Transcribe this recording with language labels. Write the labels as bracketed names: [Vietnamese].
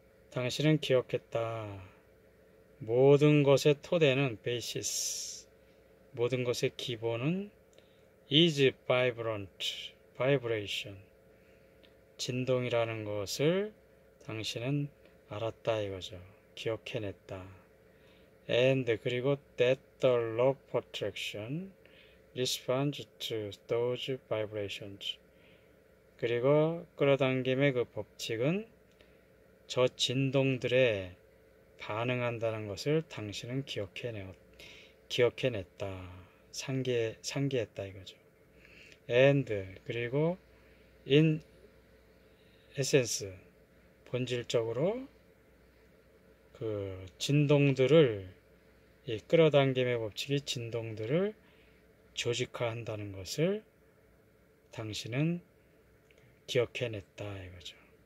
[Korean] 당신은 기억했다. 모든 것의 토대는 basis. 모든 것의 기본은 [English] is vibrant, vibration. [Korean] 진동이라는 것을 당신은 알았다 이거죠. 기억해냈다. [English] And [Korean] 그리고 [English] that the law of attraction responds to those vibrations. [Korean] 그리고 끌어당김의 그 법칙은 저 진동들에 반응한다는 것을 당신은 기억해냈다. 상기했다 이거죠. And 그리고 [English] in essence [Korean] 본질적으로 그 진동들을 이 끌어당김의 법칙이 진동들을 조직화한다는 것을 당신은 기억해냈다 이거죠.